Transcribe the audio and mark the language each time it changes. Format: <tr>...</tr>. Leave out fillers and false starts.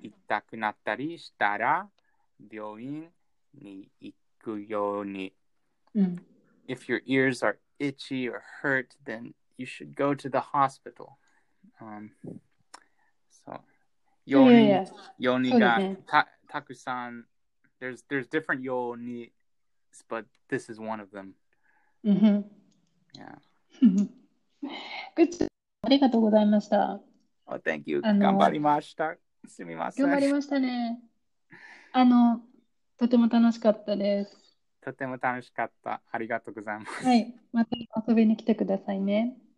<ja>痛くなったりしたら病院に行くように、うん、</ja> <en>If your ears areitchy or hurt, then you should go to the hospital.</en> <ja>So, yoni ga takusan.</ja> <en>There's different yoni, but this is one of them. Mm-hmm. Yeah. Good.</en> <ja>ありがとうございました。</ja> <en>Oh, thank you.</en> <ja>頑張りました。すみません。頑張りましたね。とても楽しかったです。とても楽しかった。ありがとうございます。はい。また遊びに来てくださいね。</ja>